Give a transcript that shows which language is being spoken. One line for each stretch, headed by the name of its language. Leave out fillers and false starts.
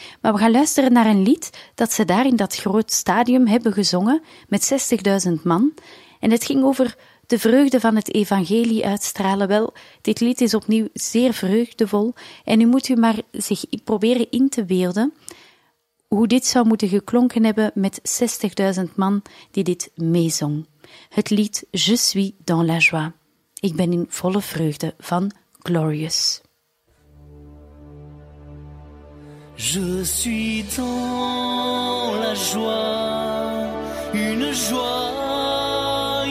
Dutch: Maar we gaan luisteren naar een lied dat ze daar in dat groot stadium hebben gezongen met 60.000 man. En het ging over de vreugde van het evangelie uitstralen. Wel, dit lied is opnieuw zeer vreugdevol en u moet u maar zich proberen in te beelden hoe dit zou moeten geklonken hebben met 60.000 man die dit meezong. Het lied Je suis dans la joie. Ik ben in volle vreugde van Glorious.
French: Je suis dans la joie, une joie.